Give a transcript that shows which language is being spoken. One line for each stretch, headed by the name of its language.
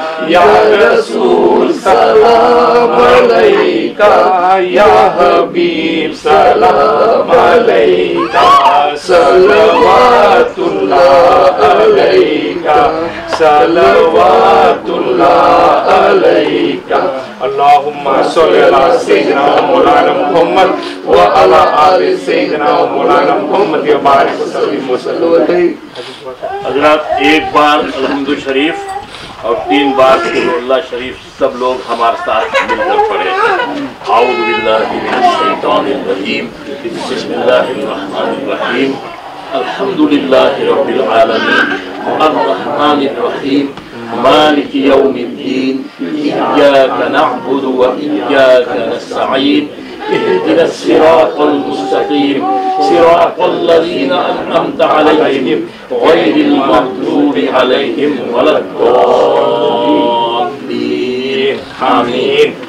Arabic: یا رسول سلام علیکا یا حبیب سلام علیکا صلوات اللہ علیکا صلوات اللہ علیکا. اللهم صل على سيدنا مولانا محمد وعلى آل سيدنا مولانا محمد وبارك وسلم وسلم.
Urdu: حضرات ایک بار الحمد شریف اور تین بار سبح اللہ شریف سب لوگ ہمارے ساتھ مل کر پڑھیں.
Arabic: اعوذ باللہ من الشیطان الرجیم بسم اللہ الرحمن الرحیم الحمد للہ رب العالمین الرحمن الرحیم مالک یوم الدین اياك نعبد واياك نستعين اهدنا الصراط المستقيم صراط الذين انعمت عليهم غير المغضوب عليهم ولا الضالين آمين.